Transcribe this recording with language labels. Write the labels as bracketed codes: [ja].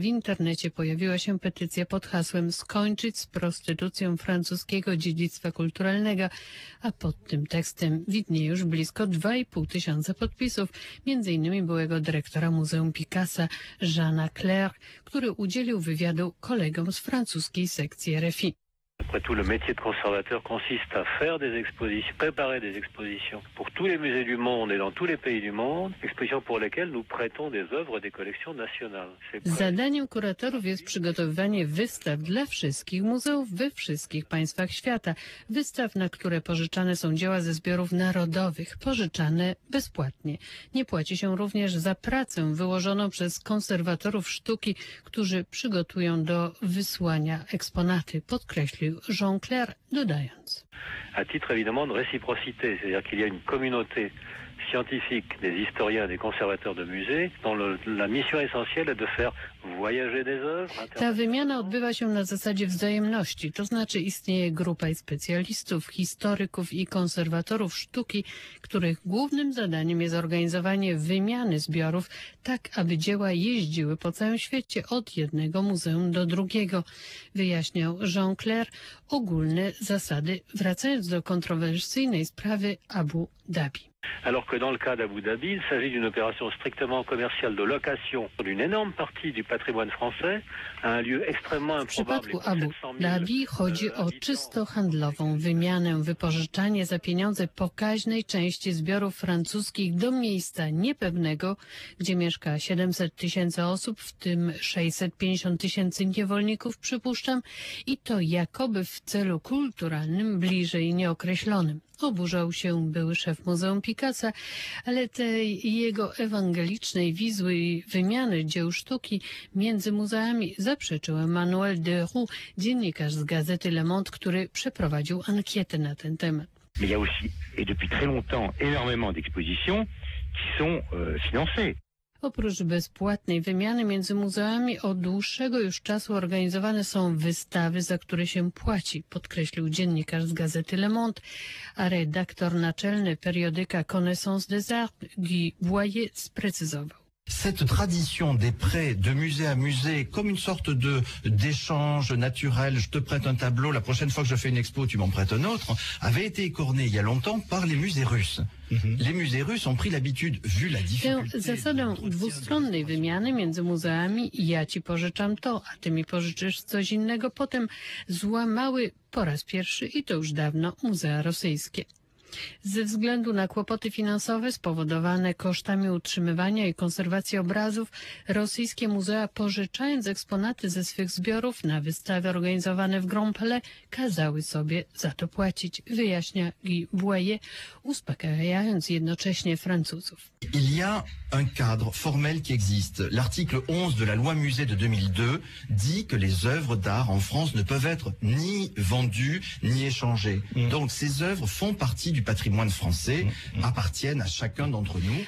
[pl] W internecie pojawiła się petycja pod hasłem skończyć z prostytucją francuskiego dziedzictwa kulturalnego, a pod tym tekstem widnieje już blisko 2,5 tysiąca podpisów, m.in. byłego dyrektora Muzeum Picassa, Jeana Clerc, który udzielił wywiadu kolegom z francuskiej sekcji RFI. [fr] Après tout, le métier de conservateur consiste à faire des expositions, préparer des expositions pour tous les musées du monde et dans tous les pays du monde, expositions pour lesquelles nous prêtons des œuvres des collections nationales. [pl] Zadaniem kuratorów jest przygotowywanie wystaw dla wszystkich muzeów we wszystkich państwach świata. Wystaw, na które pożyczane są dzieła ze zbiorów narodowych, pożyczane bezpłatnie. Nie płaci się również za pracę wyłożoną przez konserwatorów sztuki, którzy przygotują do wysłania eksponaty, podkreślam. Jean-Claire dodając. [fr] À titre évidemment de réciprocité, c'est-à-dire qu'il y a une communauté scientifique, des historiens, des conservateurs de musées, dont la mission essentielle est de faire voyager des œuvres. [pl] Ta wymiana odbywa się na zasadzie wzajemności, to znaczy istnieje grupa specjalistów, historyków i konserwatorów sztuki, których głównym zadaniem jest organizowanie wymiany zbiorów tak, aby dzieła jeździły po całym świecie od jednego muzeum do drugiego, wyjaśniał Jean-Claire ogólne zasady, wracając do kontrowersyjnej sprawy Abu Dhabi. [fr] Alors que dans le cas d'Abu Dhabi, il s'agit d'une opération strictement commerciale de location d'une énorme partie du patrimoine français à un lieu extrêmement improbable. [pl] W przypadku Abu Dhabi chodzi o czysto handlową wymianę, wypożyczanie za pieniądze pokaźnej części zbiorów francuskich do miejsca niepewnego, gdzie mieszka 700 tysięcy osób, w tym 650 tysięcy niewolników, przypuszczam, i to jakoby w celu kulturalnym bliżej nieokreślonym. Oburzał się były szef Muzeum Picassa, ale tej jego ewangelicznej wizji wymiany dzieł sztuki między muzeami zaprzeczył Emmanuel de Roux, dziennikarz z gazety Le Monde, który przeprowadził ankietę na ten temat. [fr] Mais il y a aussi, et depuis très longtemps, énormément d'expositions qui sont financées. [pl] Oprócz bezpłatnej wymiany między muzeami od dłuższego już czasu organizowane są wystawy, za które się płaci, podkreślił dziennikarz z gazety Le Monde, a redaktor naczelny periodyka Connaissance des Arts Guy Boyer sprecyzował. [fr] Cette tradition des prêts de musée à musée comme une sorte de d'échange naturel, je te prête un tableau, la prochaine fois que je fais une expo, tu m'en prêtes un autre, avait été écornée il y a longtemps par les musées russes. Les musées russes ont pris l'habitude, vu la difficulté. [pl] Tę zasadę dwustronnej wymiany między muzeami, ja ci pożyczam to, a ty mi pożyczysz coś innego, potem złamały po raz pierwszy i to już dawno muzea rosyjskie. Ze względu na kłopoty finansowe spowodowane kosztami utrzymywania i konserwacji obrazów, rosyjskie muzea, pożyczając eksponaty ze swych zbiorów na wystawy organizowane w Grand Palais, kazały sobie za to płacić, wyjaśnia Guy Boyer, uspokajając jednocześnie Francuzów. [fr] Il y a un cadre formel qui existe. L'article 11 de la loi musée de 2002 dit que les œuvres d'art en France ne peuvent être ni vendues ni échangées. Donc ces œuvres font partie du patrimoine français, appartiennent à chacun d'entre nous.